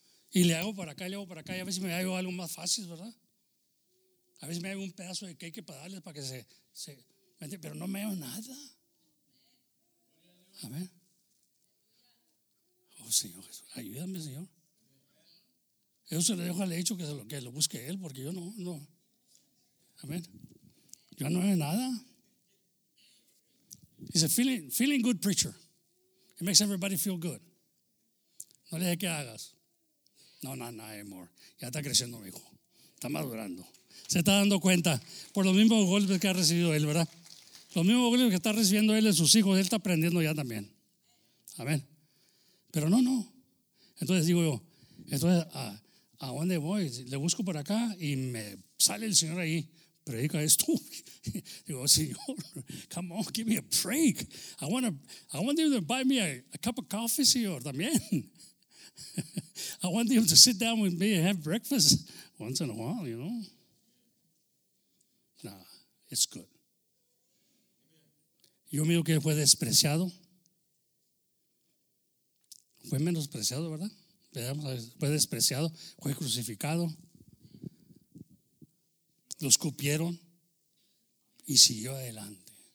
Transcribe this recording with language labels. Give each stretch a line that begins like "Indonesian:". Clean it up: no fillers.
Spanish: Y le hago para acá, le hago para acá. Y a veces me hago algo más fácil, ¿verdad? A veces me hago un pedazo de cake para darles para que se ¿entiendes? Pero no me hago nada. Amén. Oh, Señor Jesús, ayúdame, Señor. Eso se lo dejo al hecho que lo busque él, porque yo no. Amén. Yo no veo nada.
English: He's a feeling good preacher. He makes everybody feel good.
Spanish: No le dije que hagas. No
English: anymore.
Spanish: Ya está creciendo, mi hijo. Está madurando. Se está dando cuenta por los mismos golpes que ha recibido él, ¿verdad? Los mismos golpes que está recibiendo él de sus hijos. Él está aprendiendo ya también. Amén. Pero no. Entonces digo yo, entonces, ¿a dónde voy? Le busco por acá y me sale el Señor ahí. Predica esto. Digo, Señor,
English: come on, give me a break. I want him to buy me a cup of coffee,
Spanish: Señor, también.
English: I want him to sit down with me and have breakfast once in a while, you know. Nah, it's good.
Spanish: Yo miro que fue despreciado. Fue menospreciado, ¿verdad? Fue despreciado, fue crucificado. Lo escupieron y siguió adelante.